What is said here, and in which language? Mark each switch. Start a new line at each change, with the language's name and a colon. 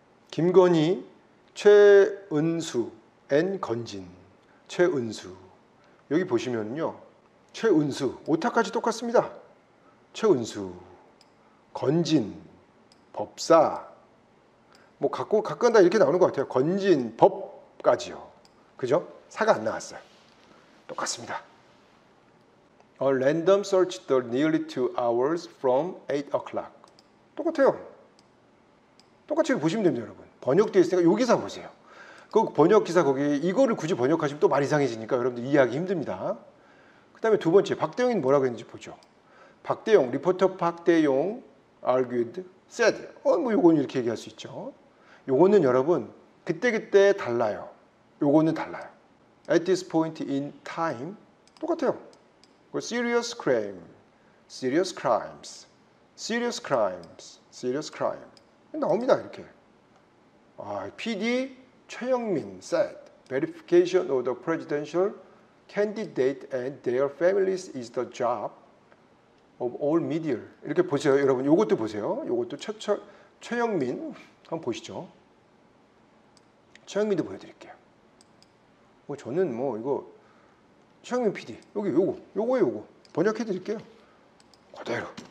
Korean: 김건희, 최은수, 앤 건진. 최은수. 여기 보시면요. 최은수. 오타까지 똑같습니다. 최은수. 건진. 법사. 뭐 가끔 다 이렇게 나오는 것 같아요. 건진 법까지요. 그죠? 사가 안 나왔어요. 똑같습니다.
English: A random search took nearly 2 hours from 8 o'clock.
Korean: 똑같아요. 똑같이 보시면 됩니다, 여러분. 번역되어 있으니까 요 기사 보세요. 그 번역 기사 거기 이거를 굳이 번역하시면 또 말 이상해지니까 여러분들 이해하기 힘듭니다. 그 다음에 두 번째, 박대용이 뭐라고 했는지 보죠. 박대용, 리포터 박대용
English: argued, said.
Korean: 뭐 요건 이렇게 얘기할 수 있죠. 요거는 여러분, 그때그때 달라요. 요거는 달라요.
English: At this point in time,
Korean: 똑같아요.
English: Serious crime, serious crimes, serious crimes, serious crime.
Korean: 나옵니다, 이렇게.
English: 아, PD 최영민 said, verification of the presidential candidate and their families is the job of all media.
Korean: 이렇게 보세요, 여러분. 이것도 보세요. 이것도 최영민 한번 보시죠. 최영민도 보여드릴게요. 뭐 저는 뭐 이거 최영민 PD 여기 요거 번역해드릴게요. 그대로.